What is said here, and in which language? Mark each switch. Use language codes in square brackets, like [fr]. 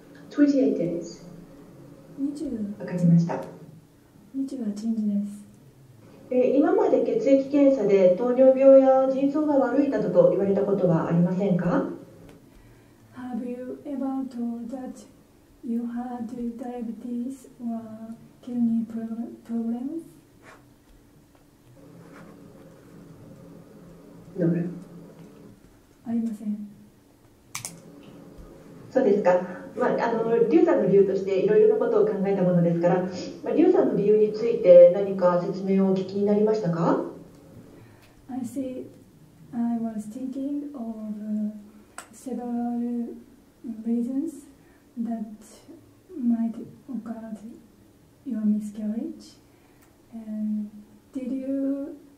[en] 28 days. 20? [ja] わかりました。 28日です。今まで血液検査で糖尿病や腎臓が悪いなどと言われたことはありませんか? [en] Have you ever told that you had diabetes or kidney problems? No. [ja] ありません。そうですか。まあ、リュウさんの理由としていろいろなことを考えたものですから、まあ、リュウさんの理由について何か説明をお聞きになりましたか? [en] I see. I was thinking of several reasons that might occur to your miscarriage. And did you,